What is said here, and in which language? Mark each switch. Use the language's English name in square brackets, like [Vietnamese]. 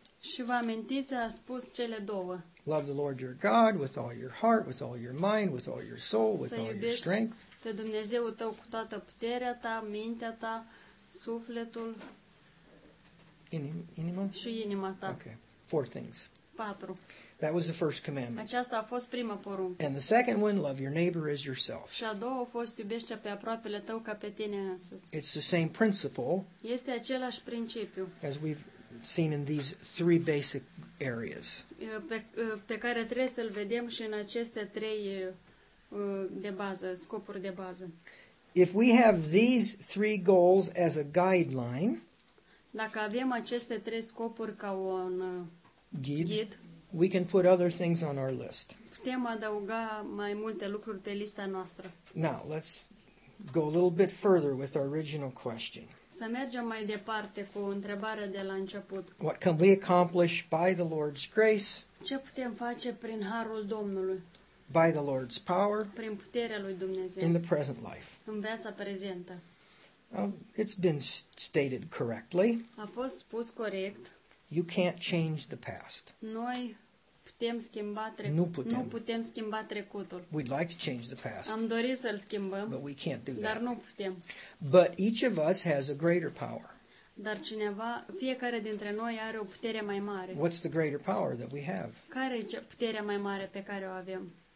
[Romanian] Și vă amintiți, a spus cele două. [English] Love the Lord your God with all your heart, with all your mind, with all your soul, with all your strength. [Romanian] Să iubești pe Dumnezeu tău cu toată puterea ta, mintea ta, sufletul. Inima? Și inima ta. [English] Okay. Four things. [Romanian] Patru. [English] That was the first commandment. [Romanian] Aceasta a fost prima poruncă. [English] And the second one, love your neighbor as yourself. [Romanian] Și a doua a fost iubește pe aproapele tău ca pe tine însuți. [English] It's the same principle. [Romanian] Este același principiu. [English] As we've seen in these three basic areas. [Romanian] Pe care trebuie să-l vedem și în aceste trei de bază, scopuri de bază. [English] If we have these three goals as a guideline, [Romanian] dacă avem aceste trei scopuri ca un ghid, [English] we can put other things on our list. [Romanian] Putem adăuga mai multe lucruri pe lista noastră. [English] Now, let's go a little bit further with our original question. [Romanian] Să mergem mai departe cu întrebarea de la început. [English] What can we accomplish by the Lord's grace? [Romanian] Ce putem face prin harul Domnului? [English] By the Lord's power? [Romanian] Prin puterea lui Dumnezeu. [English] In the present life. [Romanian] În viața prezentă. [English] It's been stated correctly. [Romanian] A fost spus corect. [English] You can't change the past. [Romanian] Noi putem schimba trecutul. Nu putem schimba trecutul. [English] We'd like to change the past. [Romanian] Am dori să-l schimbăm. [English] But we can't do [Romanian] dar [English] that. [Romanian] Nu putem. [English] But each of us has a greater power. [Romanian] Dar cineva, fiecare dintre noi are o putere mai mare. [English] What's the greater power that we have? [Romanian] Care e puterea mai mare pe care o avem?